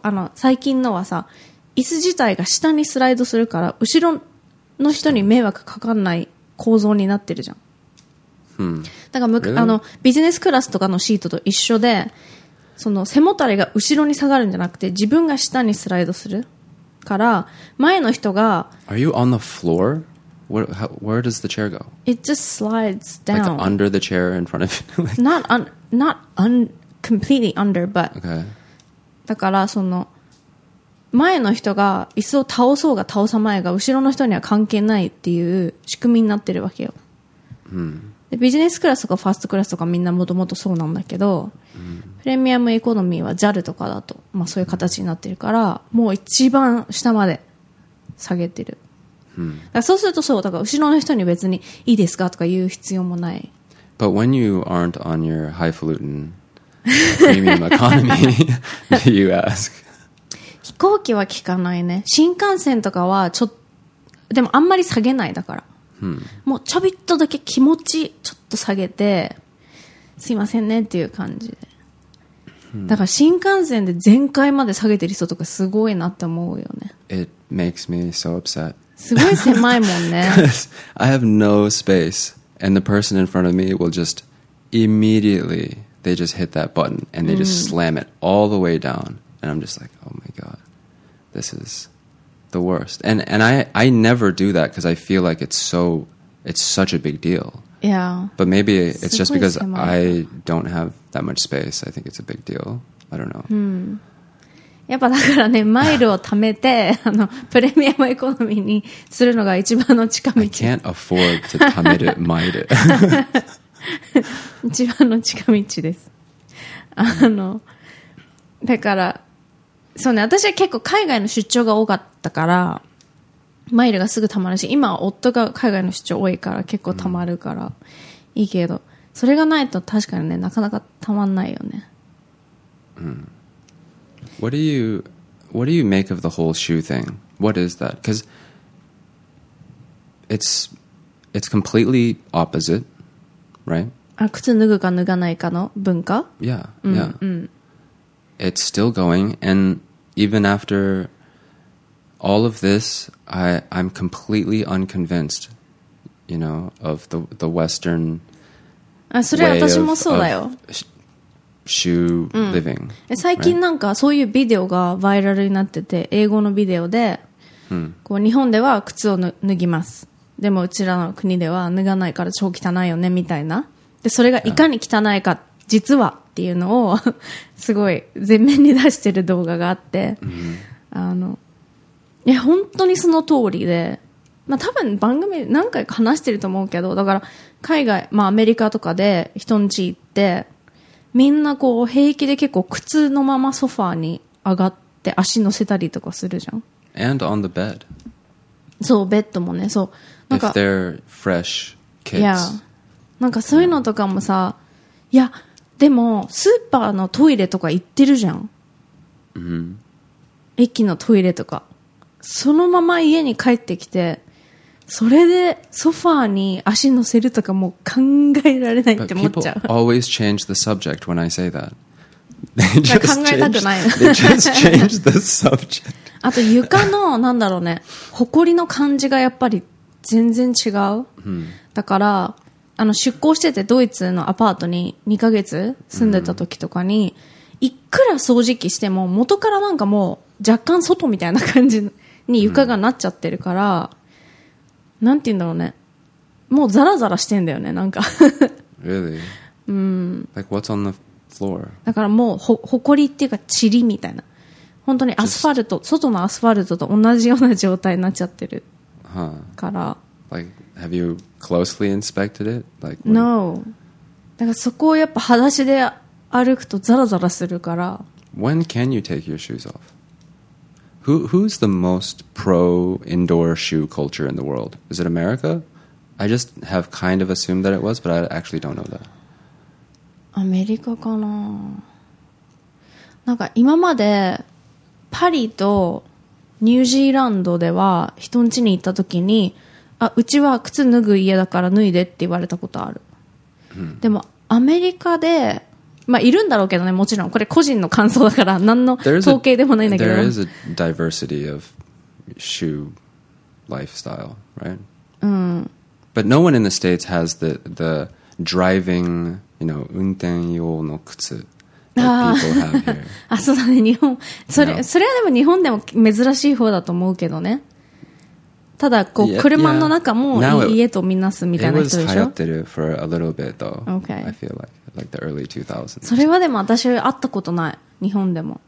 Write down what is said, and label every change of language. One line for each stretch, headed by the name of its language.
Japanese: あの、最近のはさ、椅子自体が下にスライドするから後ろの人に迷惑かかんない構造になってるじゃん。だから、
English: really?
Japanese: あのビジネスクラスとかのシートと一緒で、その背もたれが後ろに下がるんじゃなくて自分が下にスライドするから、前の人が
English: Are you on the floor? Where does the chair go? It just slides down. Like under the chair in front of you? Not completely under, but、 okay.
Japanese: だからその前の人が椅子を倒そうが倒さまいが後ろの人には関係ないっていう仕組みになってるわけよ。でビジネスクラスとかファーストクラスとかみんなもともとそうなんだけど、プレミアムエコノミーは JAL とかだと、まあ、そういう形になってるから、もう一番下まで下げてる。だからそうするとそう、だから後ろの人に別にいいですかとか言う必要もない。
English: But when you aren't on your highfalutin premium economy, do you ask?
Japanese: 飛行機は聞かないね。新幹線とかはちょっと、でもあんまり下げないだから。もうちょびっとだけ気持ちちょっと下げてすいませんねっていう感じで、だから新幹線で全開まで下げてる人とかすごいなって思うよね。
English: It makes me so upset.
Japanese: すごい狭いもんね。
English: I have no space and the person in front of me will just immediately they just hit that button and they just slam it all the way down and I'm just like, oh my god, this isis the worst. And I never do that because I feel like it's such a big deal. Yeah. But maybe it's just because I don't have that much space. I think it's a big deal. I don't know.
Japanese: やっぱだからね、マイルを貯めてあのプレミアムエコノミーにするのが一番の近道。
English: I can't afford to
Japanese: 貯めるマイル。一番の近道です。あの、だから、そうね、私は結構海外の出張が多かったからマイルがすぐ貯まるし、今は夫が海外の出張多いから結構貯まるからいいけど、それがないと確かにね、なかなか貯まんないよね。
English: What do you make of the whole shoe thing? What is that? Because it's completely opposite, right?
Japanese: あ、靴脱ぐか脱がないかの文化?
English: Yeah, yeah.
Japanese: うん、うん。
English: It's still going, and even after all of this, I'm completely unconvinced, you know, of the Western way of shoe living.
Japanese: 最近なんかそういうビデオがバイラルになってて、英語のビデオで、こう日本では靴を脱ぎます。でもうちらの国では脱がないから超汚いよねみたいな。でそれがいかに汚いか実はっていうのをすごい前面に出してる動画があって、いや本当にその通りで、まあ多分番組何回か話してると思うけど、だから海外、まあアメリカとかで人ん家行って、みんなこう平気で結構靴のままソファーに上がって足乗せたりとかするじゃん。
English: And on the bed.
Japanese: そう、ベッドもね、そう。
English: なんか、If they're fresh kids. Yeah.
Japanese: なんかそういうのとかもさ、いや、でもスーパーのトイレとか行ってるじゃん。 Mm-hmm. 駅のトイレとか。そのまま家に帰ってきて、それでソファーに足乗せるとかもう考えられないって思っちゃう。
English: But people always change the subject when I say that. They just
Japanese: 考えたくない。
English: They just change the subject.
Japanese: あと床の、なんだろうね、埃の感じがやっぱり全然違う。 Hmm. だから、あの出向しててドイツのアパートに2ヶ月住んでた時とかに、いくら掃除機しても元からなんかもう若干外みたいな感じに床がなっちゃってるから、なんて言うんだろうね、もうザラザラしてんだよね、なんか
English: Really? Like what's on the floor?
Japanese: だからもうほこりっていうか塵みたいな、本当にアスファルト、外のアスファルトと同じような状態になっちゃってるから、
English: Like have you closely inspected it? Like No.
Japanese: だからそこをやっぱ裸足で歩くとザラザラするから、
English: When can you take your shoes off? Who's the most pro indoor shoe culture in the world? Is it America? I just have kind of assumed that it was, but I actually don't know that.
Japanese: アメリカかな。なんか今までパリとニュージーランドでは人ん家に行った時に、あ、うちは靴脱ぐ家だから脱いでって言われたことある。でもアメリカで、まあいるんだろうけどね、もちろんこれ個人の感想だから何の統計でもないんだけど、
English: There is a diversity of shoe lifestyle, right? But no one in the States has the driving, you know,
Japanese: 運転用の靴
English: that people have here.
Japanese: あ、そうだね、日本、それ、それはでも日本でも珍しい方だと思うけどね。ただこう車の中も家とみなすみたいな人でしょ。
English: It was
Japanese: 流行ってる
English: for a little bit though、okay. I feel like the early 2000s.
Japanese: それはでも私会ったことない、日本でも。